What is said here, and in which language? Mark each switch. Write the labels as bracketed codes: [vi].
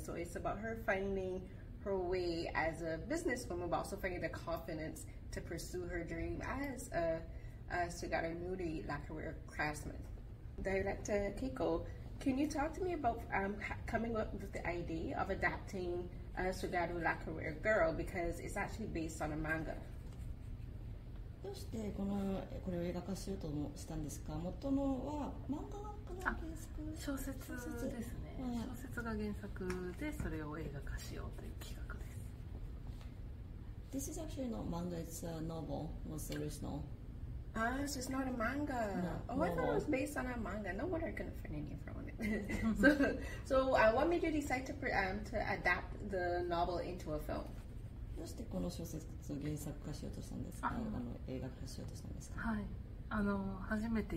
[en] So it's about her finding her way as a businesswoman, but also finding the confidence to pursue her dream as a Sugaru Noodle lacquerware craftsman. Director Keiko, can you talk to me about coming up with the idea of adapting Sugaru Lacquerware Girl, because it's actually based on a manga? [ja] どうしてこれを映画化しようとしたんですか？元のは漫画かな？原作？小説ですね。小説が原作でそれを映画化しようという企画です。 [en] This is actually not manga, it's a novel, most original. So it's not a manga. No, I thought it was based on a manga. No wonder I couldn't find any information. So what made you decide to adapt the novel into a film? Why did you want to adapt this novel into a film? Why did you want to adapt the novel into a film?